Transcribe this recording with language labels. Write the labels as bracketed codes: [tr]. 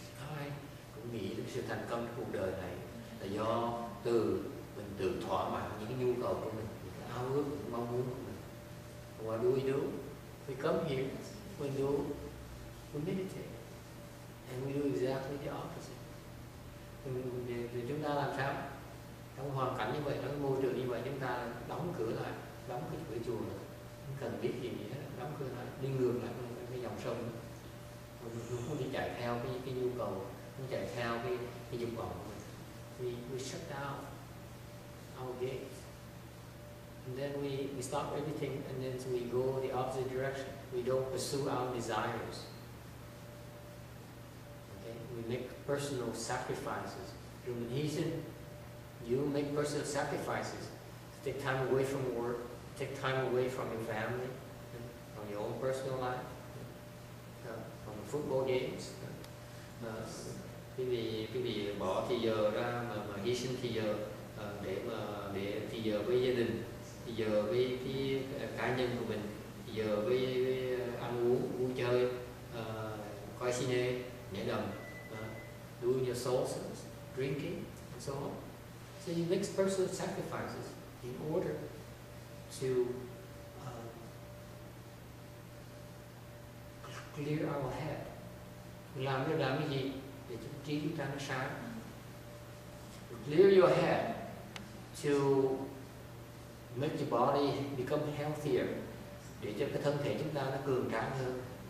[vi] Ai cũng nghĩ được sự thành công trong cuộc đời này là do từ mình tự thỏa mãn những cái nhu cầu của mình, những cái ao ước, những mong muốn của mình. [en] What do we do? We come here, we do, we meditate, and we do exactly the opposite. [vi] Thì chúng ta làm sao? Trong hoàn cảnh như vậy, trong môi trường như vậy, chúng ta đóng cửa lại, đóng cửa chùa lại, không cần biết gì nữa, đóng cửa lại, đi ngược lại cái dòng sông. Không đi chạy theo cái nhu cầu, không chạy theo cái dục vọng của mình. [en] We shut down our gates. And then we stop everything and then we go the opposite direction. We don't pursue our desires. Okay? We make personal sacrifices. Human heathen, you make personal sacrifices. Take time away from work, take time away from your family, from your own personal life. From football games, [vi] quý vị bỏ thì giờ ra mà hy sinh thì giờ để thì giờ với gia đình, thì giờ với cái cá nhân của mình, thì giờ với ăn uống, vui chơi, coi cine, nhảy đầm, [en] doing your sources, drinking, and so on. So you make personal sacrifices in order to clear our head. [vi] Làm cái gì? Để cho trí chúng ta nó sáng. [en] Clear your head to make your body become healthier. [vi] Để cho cái thân thể chúng ta nó cường tráng hơn.